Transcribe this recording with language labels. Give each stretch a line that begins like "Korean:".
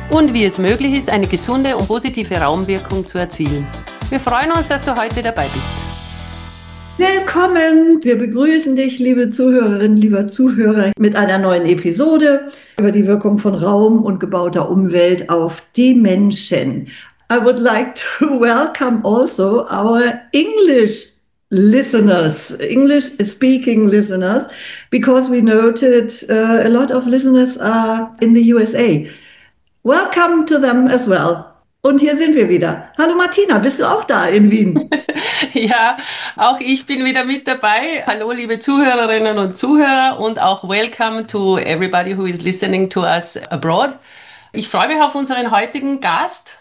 German: und wie es möglich ist, eine gesunde und positive Raumwirkung zu erzielen. Wir freuen uns, dass du heute dabei bist. Willkommen! Wir begrüßen dich, liebe Zuhörerinnen, lieber Zuhörer, mit einer neuen Episode über die Wirkung von Raum und gebauter Umwelt auf die Menschen.
English: I would like to welcome also our English listeners, English speaking listeners, because we noted a lot of listeners are in the USA. Welcome to them as well.
German: Und hier sind wir wieder. Hallo Martina, bist du auch da in Wien? Ja, auch ich bin wieder mit dabei. Hallo liebe Zuhörerinnen und Zuhörer und auch
English: welcome to everybody who is listening to us abroad.
German: Ich freue mich auf unseren heutigen Gast.